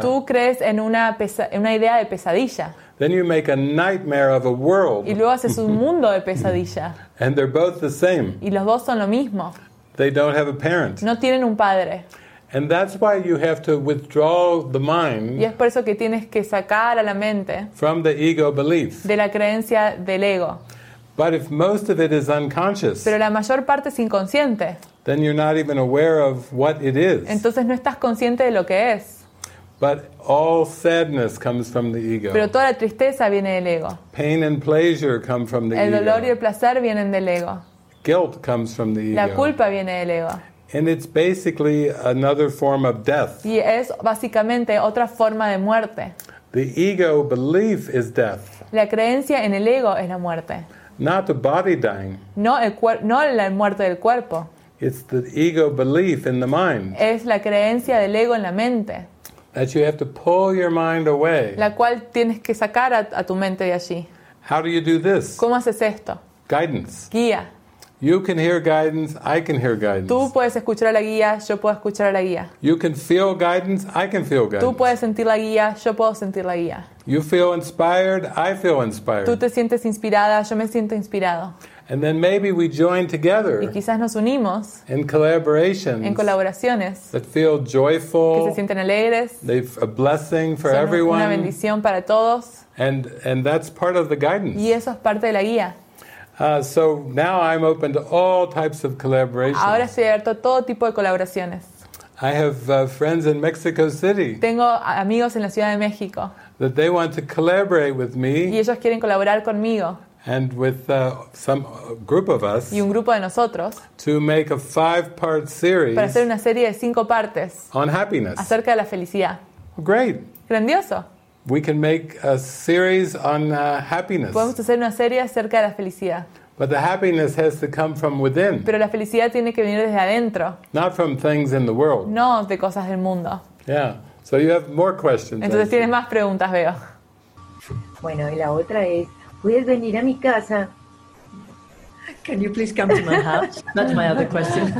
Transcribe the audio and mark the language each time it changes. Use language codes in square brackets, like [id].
[es] Tú crees en una idea de pesadilla. [en] Then you make a nightmare of a world. [es] Y luego haces un mundo de pesadilla. [en] And they're both the same. [es] Y los dos son lo mismo. [en] They don't have a parent. [es] No tienen un padre. [en] And that's why you have to withdraw the mind. [es] Y es por eso que tienes que sacar a la mente. [en] From the ego beliefs. [es] De la creencia del ego. [en] But if most of it is unconscious. [es] Pero la mayor parte es inconsciente. [en] Then you're not even aware of what it is. [es] Entonces no estás consciente de lo que es. [en] But all sadness comes from the ego. [es] Pero toda la tristeza viene del ego. [en] Pain and pleasure come from the ego. [es] El dolor y el placer vienen del ego. [en] Guilt comes from the ego. [es] La culpa viene del ego. [en] And it's basically another form of death. [es] Y es básicamente otra forma de muerte. [en] The ego belief is death. [es] La creencia en el ego es la muerte. [en] Not the body dying. [es] No la muerte del cuerpo. [en] It's the ego belief in the mind. [es] Es la creencia del ego en la mente. [en] That you have to pull your mind away. [es] La cual tienes que sacar a tu mente de allí. [en] How do you do this? [es] ¿Cómo haces esto? [en] Guidance. [es] Guía. [en] You can hear guidance, I can hear guidance. [es] Tú puedes escuchar a la guía, yo puedo escuchar a la guía. [en] You can feel guidance, I can feel guidance. [es] Tú puedes sentir la guía, yo puedo sentir la guía. [en] You feel inspired, I feel inspired. [es] Tú te sientes inspirada, yo me siento inspirado. [en] And then maybe we join together. [es] Y quizás nos unimos. [en] In collaborations. [es] En colaboraciones. [en] That feel joyful. [es] Que se sienten alegres. [en] They a blessing for everyone. [es] Una bendición para todos. [en] And that's part of the guidance. [es] Y eso es parte de la guía. [en] So now I'm open to all types of collaborations. [es] Ahora estoy abierto a todo tipo de colaboraciones. [en] I have friends in Mexico City. [es] Tengo amigos en la Ciudad de México. [en] That they want to collaborate with me. [es] Y ellos quieren colaborar conmigo. [en] And with some group of us. [es] Y un grupo de nosotros. [en] To make a 5-part series. [es] Para hacer una serie de 5 partes. [en] On happiness. [es] Acerca de la felicidad. [en] Great. [es] Grandioso. [en] We can make a series on happiness. [es] Podemos hacer una serie acerca de la felicidad. [en] But the happiness has to come from within. [es] Pero la felicidad tiene que venir desde adentro. [en] Not from things in the world. [es] No de cosas del mundo. [en] Yeah. So you have more questions. [es] Entonces tienes más preguntas, veo. Bueno, y la otra es, ¿puedes venir a mi casa? [en] Can you please come to my house? That's my other question.